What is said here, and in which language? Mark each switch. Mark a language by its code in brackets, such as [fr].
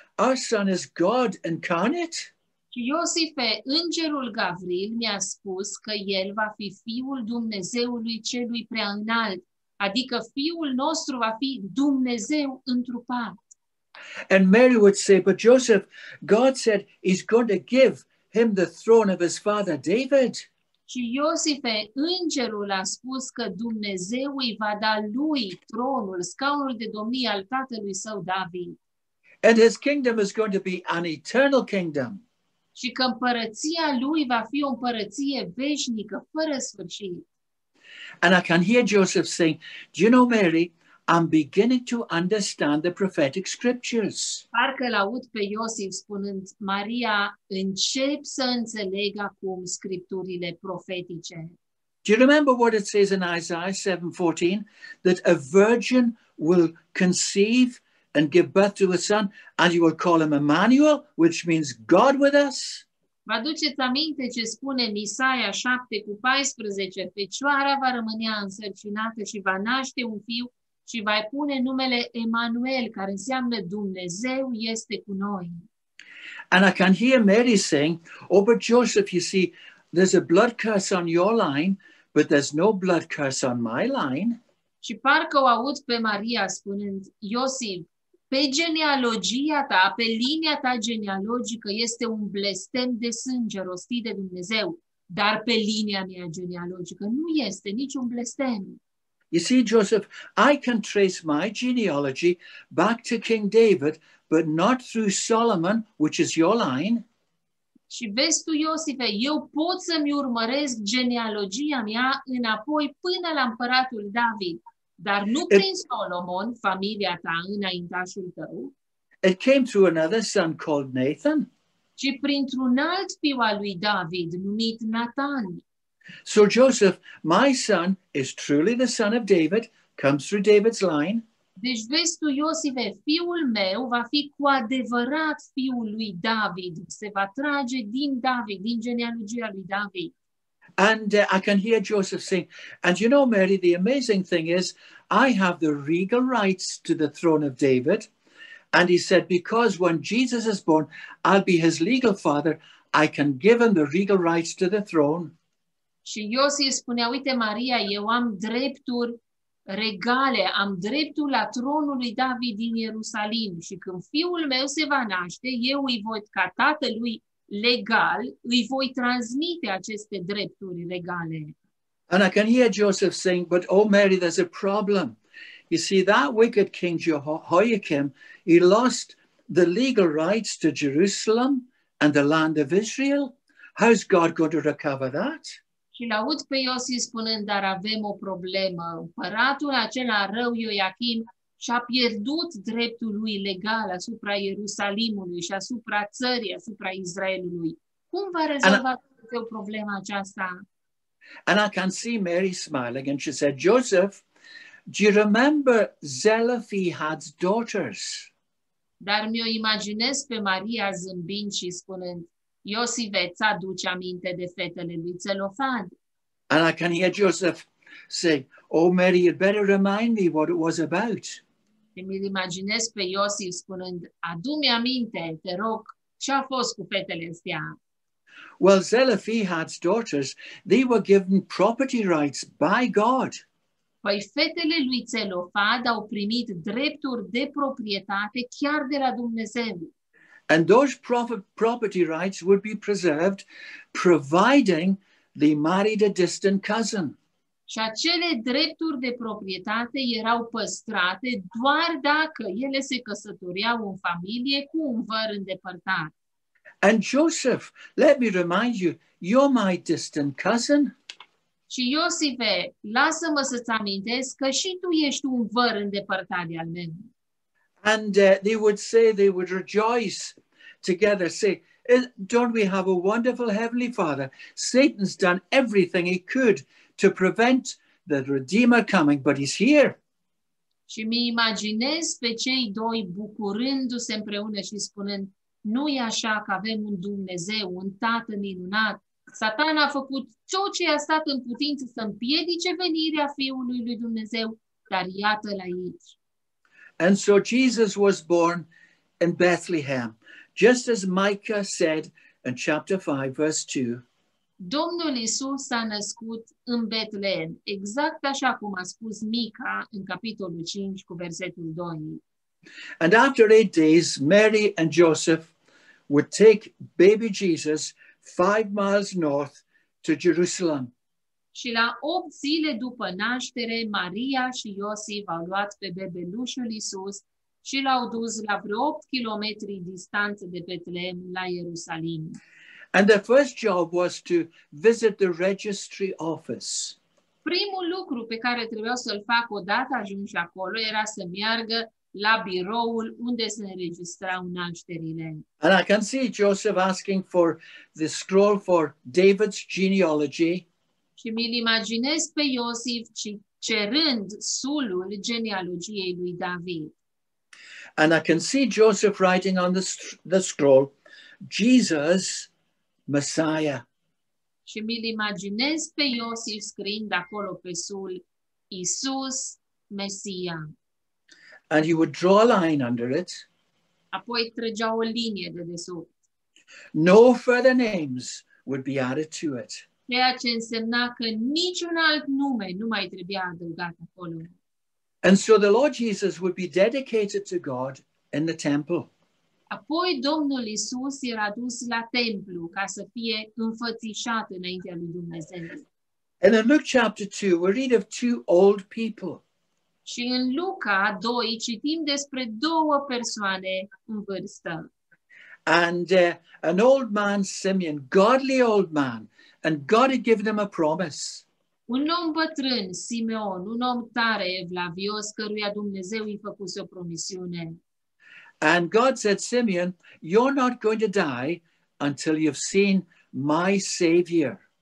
[en] Our son is God incarnate. [ro] Și Iosife, îngerul Gavril mi-a spus că el va fi fiul Dumnezeului Celui Preaînalt, adică fiul nostru va fi Dumnezeu întrupat. [en] And Mary would say, but Joseph, God said he's going to give him the throne of his father David. [ro] Și Iosife, îngerul a spus că Dumnezeu îi va da lui tronul, scaunul de domnie al tatălui său David. [en] And his kingdom is going to be an eternal kingdom. [ro] Și că împărăția lui va fi o împărăție veșnică, fără sfârșit. [en] And I can hear Joseph saying, do you know, Mary, I'm beginning to understand the prophetic scriptures. [ro] Parcă l-aud pe Iosif spunând, Maria, încep să înțeleg acum scripturile profetice. [en] Do you remember what it says in Isaiah 7:14? That a virgin will conceive and give birth to a son, and you will call him Emmanuel, which means God with us? [ro] Vă aduceți aminte ce spune în Isaia 7:14? Fecioara va rămâne însărcinată și va naște un fiu și va pune numele Emmanuel, care înseamnă Dumnezeu este cu noi. [en] And I can hear Mary saying, oh, but Joseph, you see, there's a blood curse on your line, but there's no blood curse on my line. [ro] Și parcă o aud pe Maria spunând, Iosif, pe genealogia ta, pe linia ta genealogică, este un blestem de sânge rostit de Dumnezeu, dar pe linia mea genealogică nu este niciun blestem. [en] You see, Joseph, I can trace my genealogy back to King David, but not through Solomon, which is your line. [ro] Și vezi tu, Iosife, eu pot să-mi urmăresc genealogia mea înapoi până la împăratul David. Dar nu prin Solomon, familia ta, înaintașul tău. [en] It came through another son called Nathan. [ro] Ci printr-un alt fiu al lui David, numit Nathan. [en] So Joseph, my son is truly the son of David, comes through David's line. [ro] Deci vezi tu, Iosife, fiul meu va fi cu adevărat fiul lui David. Se va trage din David, din genealogia lui David. [en] And I can hear Joseph saying, and you know, Mary, the amazing thing is, I have the regal rights to the throne of David. And he said, because when Jesus is born, I'll be his legal father, I can give him the regal rights to the throne. [ro] Și Iosif spunea, uite, Maria, eu am drepturi regale, am dreptul la tronul lui David din Ierusalim. Și când fiul meu se va naște, eu îi voi, ca tatălui legal, îi voi transmite aceste drepturi legale. [en] And I can hear Joseph saying, but oh Mary, there's a problem. You see, that wicked king Jehoiakim, he lost the legal rights to Jerusalem and the land of Israel. How's God going to recover that? [ro] Și l-aud pe Iosif spunând, dar avem o problemă. Împăratul acela rău, Ioachim, și-a pierdut dreptul lui legal asupra Ierusalimului și asupra țării, asupra Israelului. Cum va rezolva Dumnezeu problema aceasta? [en] And I can see Mary smiling and she said, Joseph, do you remember Zelophe had daughters? [ro] Dar mi-o imaginez pe Maria zâmbind și spunând, Iosive, ți-aduce aminte de fetele lui Zelofan? [en] And I can hear Joseph say, oh, Mary, you'd better remind me what it was about. [ro] Și mi-l imaginez pe Iosif spunând, adu-mi aminte, te rog, ce-a fost cu fetele astea? [en] Well, Zelophehad's daughters, they were given property rights by God. [ro] Păi fetele lui Zelofan au primit drepturi de proprietate chiar de la Dumnezeu. [en] And those property rights would be preserved, providing they married a distant cousin. [ro] Și acele drepturi de proprietate erau păstrate doar dacă ele se căsătoreau în familie cu un văr îndepărtat. [en] And Joseph, let me remind you, you're my distant cousin. [ro] Și Iosife, lasă-mă să-ți amintesc că și tu ești un văr îndepărtat de al meu. [en] And they would say, they would rejoice together, say, don't we have a wonderful heavenly father? Satan's done everything he could to prevent the Redeemer coming, but he's here. [ro] Și mi imaginez pe cei doi bucurându-se împreună și spunând, nu e așa că avem un Dumnezeu, un Tată minunat. Satan a făcut tot ce i-a stat în putință să împiedice venirea Fiului lui Dumnezeu, dar iată-l aici. [en] And so Jesus was born in Bethlehem, just as Micah said in chapter 5, verse 2. [ro] Domnul Iisus s-a născut în Betlehem, exact așa cum a spus Mica în capitolul 5 cu versetul 2. [en] And after 8 days, Mary and Joseph would take baby Jesus 5 miles north to Jerusalem. [ro] Și la 8 zile după naștere, Maria și Iosif au luat pe bebelușul Iisus și l-au dus la vreo 8 kilometri distanță de Betlehem la Ierusalim. [en] And their first job was to visit the registry office. [ro] Primul lucru pe care trebuia să-l fac odată ajuns acolo era să meargă la biroul unde se înregistrau nașterile. [en] And I can see Joseph asking for the scroll for David's genealogy. [ro] Și mi-l imaginez pe Iosif cerând sulul genealogiei lui David. [en] And I can see Joseph writing on the scroll, Jesus, Messiah. [ro] Și mi-l imaginez pe Iosif scriind acolo pe sul, Iisus, Mesia. [en] And he would draw a line under it. [ro] Apoi trăgea o linie de desubt. [en] No further names would be added to it. [ro] Ceea ce însemna că niciun alt nume nu mai trebuia adăugat acolo. [en] And so the Lord Jesus would be dedicated to God in the temple. [ro] Apoi Domnul Iisus era dus la templu ca să fie înfățișat înaintea lui Dumnezeu. [en] And in Luke chapter 2, we read of two old people. [ro] Și în Luca 2 citim despre două persoane în vârstă. [en] And an old man, Simeon, godly old man, and God had given him a promise. [ro] Un om bătrân, Simeon, un om tare, evlavios, căruia Dumnezeu i-a făcut o promisiune. [en] And God said, Simeon, you're not going to die until you've seen my Savior.